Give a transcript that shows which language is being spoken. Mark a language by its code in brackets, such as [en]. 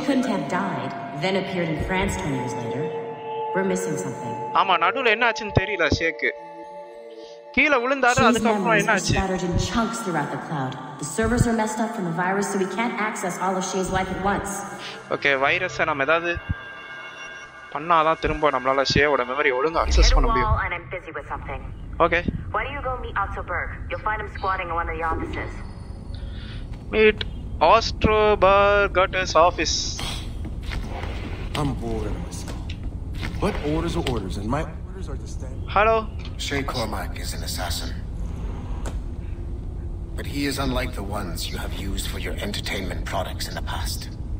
[en] She couldn't have died, then appeared in France 20 years later. We're missing something. [ta] ஆமா, நடுவுல என்ன ஆச்சுன்னு தெரியல. ஷேக் கீழ விழுந்தாரு, அதுக்கு அப்புறம் என்ன ஆச்சு? She's scattered in chunks throughout the cloud. The servers are messed up from the virus, so we can't access all of Shay's life at once. Okay, virus நம்ம ஏதாவது பண்ணாதான் திரும்ப நம்மளால ஷேவோட மெமரி ஒழுங்கா அக்சஸ் பண்ண முடியும். Okay, [en] why do you go meet Altoberg? You'll find him squatting in one of the offices. Meet Ostroberg's office. I'm bored of myself. What orders are orders and my orders are to stand. Hello, Shay Cormac is an assassin, but he is unlike the ones you have used for your entertainment products in the past.